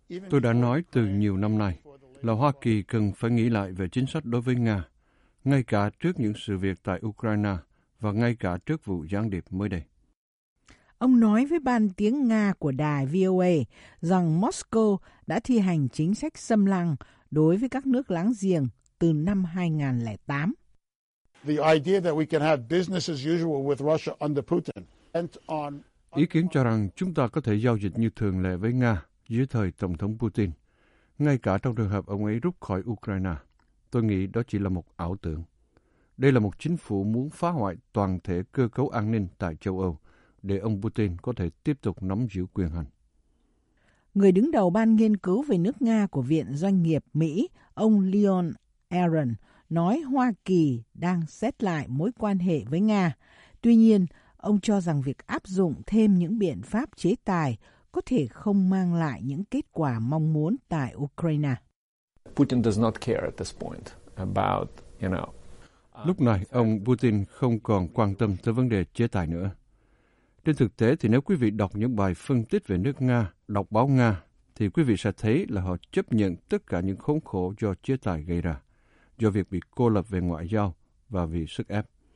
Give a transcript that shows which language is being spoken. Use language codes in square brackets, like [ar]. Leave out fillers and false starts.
[vi] Tôi đã nói từ nhiều năm nay là Hoa Kỳ cần phải nghĩ lại về chính sách đối với Nga, ngay cả trước những sự việc tại Ukraine và ngay cả trước vụ gián điệp mới đây. Ông nói với ban tiếng Nga của đài VOA rằng Moscow đã thi hành chính sách xâm lăng đối với các nước láng giềng từ năm 2008. [en] The idea that we can have business as usual with Russia under Putin. [vi] Ý kiến cho rằng chúng ta có thể giao dịch như thường lệ với Nga dưới thời Tổng thống Putin, ngay cả trong trường hợp ông ấy rút khỏi Ukraine, tôi nghĩ đó chỉ là một ảo tưởng. Đây là một chính phủ muốn phá hoại toàn thể cơ cấu an ninh tại châu Âu để ông Putin có thể tiếp tục nắm giữ quyền hành. Người đứng đầu ban nghiên cứu về nước Nga của Viện Doanh nghiệp Mỹ, ông Leon Aron, nói Hoa Kỳ đang xét lại mối quan hệ với Nga. Tuy nhiên, ông cho rằng việc áp dụng thêm những biện pháp chế tài có thể không mang lại những kết quả mong muốn tại Ukraine. [en] Putin does not care at this point about, you know. [vi] Lúc này, ông Putin không còn quan tâm tới vấn đề chế tài nữa. Trên thực tế thì nếu quý vị đọc những bài phân tích về nước Nga, đọc báo Nga, thì quý vị sẽ thấy là họ chấp nhận tất cả những khốn khổ do chế tài gây ra, do việc bị cô lập về ngoại giao và vì sức ép.